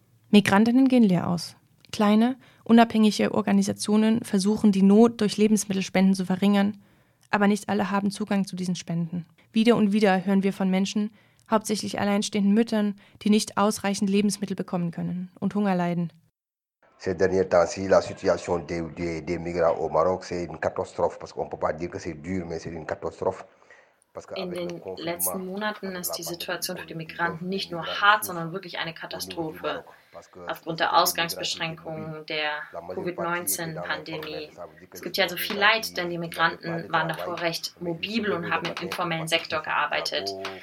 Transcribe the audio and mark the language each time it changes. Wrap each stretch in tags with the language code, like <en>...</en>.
<de>MigrantInnen gehen leer aus. Kleine, unabhängige Organisationen versuchen, die Not durch Lebensmittelspenden zu verringern, aber nicht alle haben Zugang zu diesen Spenden. Wieder und wieder hören wir von Menschen, hauptsächlich alleinstehenden Müttern, die nicht ausreichend Lebensmittel bekommen können und Hunger leiden.</de> <fr>Ces derniers temps-ci, la situation des migrants au Maroc, c'est une catastrophe, parce qu'on ne peut pas dire que c'est dur, mais c'est une catastrophe.</fr> <de>In den letzten Monaten ist die Situation für die Migranten nicht nur hart, sondern wirklich eine Katastrophe. Aufgrund der Ausgangsbeschränkungen der Covid-19-Pandemie. Es gibt ja so viel Leid, denn die Migranten waren davor recht mobil und haben im informellen Sektor gearbeitet.</de>